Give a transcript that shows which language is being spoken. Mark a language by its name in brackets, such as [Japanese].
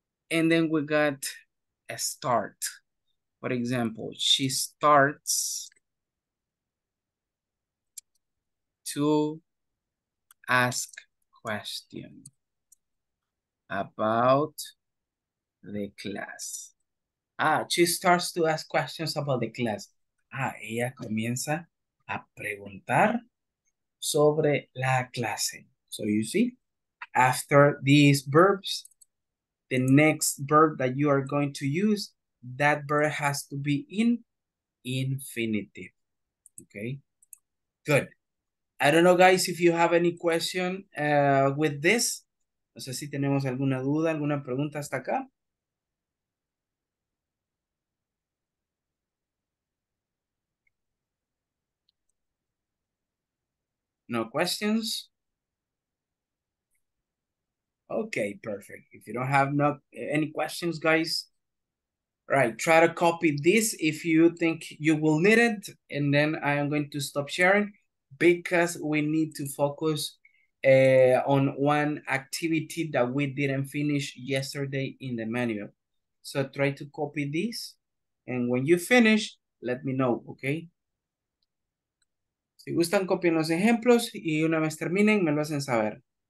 [English] And then we got a start. For example, she starts to ask questions about the class. Ah, she starts to ask questions about the class. [Spanish] Ah, ella comienza a preguntar sobre la clase. [English] So you see, after these verbs, the next verb that you are going to use, that verb has to be in infinitive. Okay, good. I don't know, guys, if you have any question with this. [Spanish] No sé si tenemos alguna duda, alguna pregunta hasta acá. [English] No questions? Okay, perfect. If you don't have any questions, guys, right, try to copy this if you think you will need it, and then I am going to stop sharing because we need to focus on one activity that we didn't finish yesterday in the manual. So try to copy this, and when you finish, let me know, okay? [Spanish] Si gustan, copien los ejemplos y una vez terminen, me lo hacen saber.